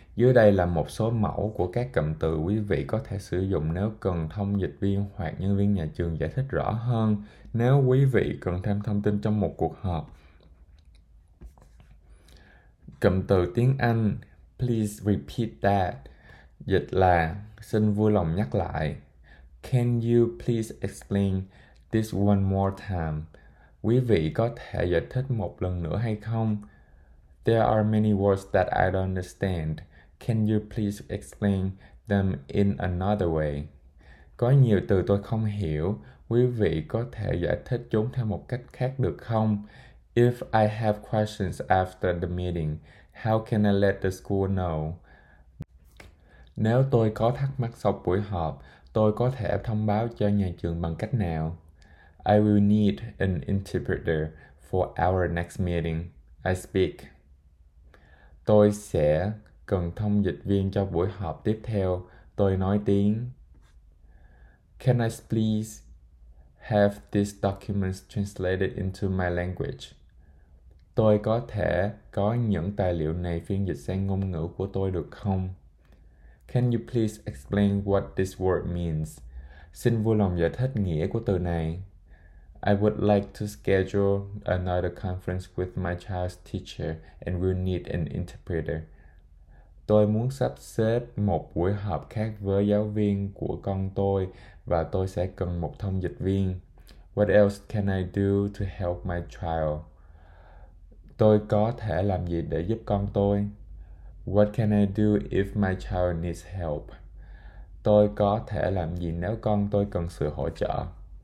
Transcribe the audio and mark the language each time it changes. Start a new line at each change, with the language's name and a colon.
Vietnamese: Dưới đây là một số mẫu của các cụm từ quý vị có thể sử dụng nếu cần thông dịch viên hoặc nhân viên nhà trường giải thích rõ hơn nếu quý vị cần thêm thông tin trong một cuộc họp. Cụm từ tiếng Anh,
English: please repeat that,
Vietnamese: dịch là xin vui lòng nhắc lại.
English: Can you please explain this one more time?
Vietnamese: Quý vị có thể giải thích một lần nữa hay không?
English: There are many words that I don't understand. Can you please explain them in another way?
Vietnamese: Có nhiều từ tôi không hiểu. Quý vị có thể giải thích chúng theo một cách khác được không?
English: If I have questions after the meeting, how can I let the school know?
Vietnamese: Nếu tôi có thắc mắc sau buổi họp, tôi có thể thông báo cho nhà trường bằng cách nào?
English: I will need an interpreter for our next meeting. I speak.
Vietnamese: Tôi sẽ cần thông dịch viên cho buổi họp tiếp theo. Tôi nói tiếng.
English: Can I please have these documents translated into my language?
Vietnamese: Tôi có thể có những tài liệu này phiên dịch sang ngôn ngữ của tôi được không?
English: Can you please explain what this word means?
Vietnamese: Xin vui lòng giải thích nghĩa của từ này.
English: I would like to schedule another conference with my child's teacher and will need an interpreter.
Vietnamese: Tôi muốn sắp xếp một buổi họp khác với giáo viên của con tôi và tôi sẽ cần một thông dịch viên.
English: What else can I do to help my child?
Vietnamese: Tôi có thể làm gì để giúp con tôi?
English: What can I do if my child needs help?
Vietnamese: Tôi có thể làm gì nếu con tôi cần sự hỗ trợ?